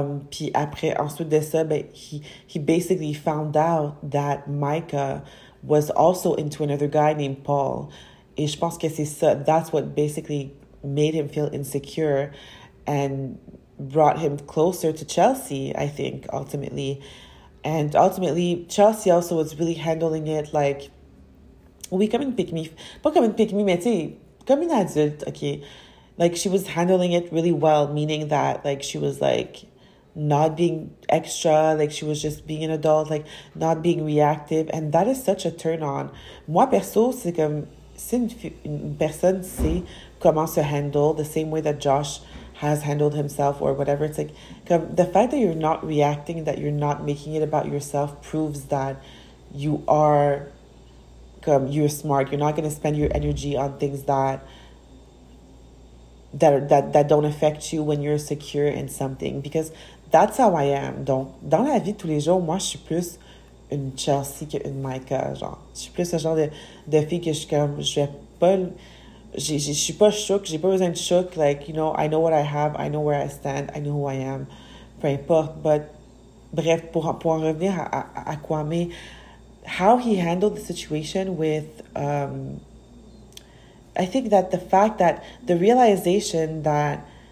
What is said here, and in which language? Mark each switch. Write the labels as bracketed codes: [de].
[fr] Puis après, ensuite de ça, ben, [en] he basically found out that Micah was also into another guy named Paul. [fr] Et je pense que c'est ça, [en] that's what basically made him feel insecure and brought him closer to Chelsea, I think, ultimately. And ultimately, Chelsea also was really handling it like, [fr] oui, comme une pick-me. Pas comme une pick-me, mais tu sais, comme une adulte, OK. [en] Like, she was handling it really well, meaning that, like, she was, like, not being extra, like, she was just being an adult, like, not being reactive. And that is such a turn-on. [fr] Moi, perso, c'est comme, si une personne sait comment se [en] handle the same way that Josh has handled himself or whatever. It's like, come, the fact that you're not reacting, that you're not making it about yourself, proves that you are, come, you're smart. You're not going to spend your energy on things that don't affect you when you're secure in something. Because that's how I am. [fr] Donc, dans la vie de tous les jours, moi, je suis plus une Chelsea qu'une Micah. Genre, je suis plus ce genre de fille que je suis comme, je vais pas. Je suis pas shook, j'ai pas besoin de shook. [en] Like, you know, I know what I have, I know where I stand, I know who I am. [fr] Peu importe. [en] But, [fr] bref, pour en revenir à Kwame, [en] how he handled the situation with. I think that the fact that the realization that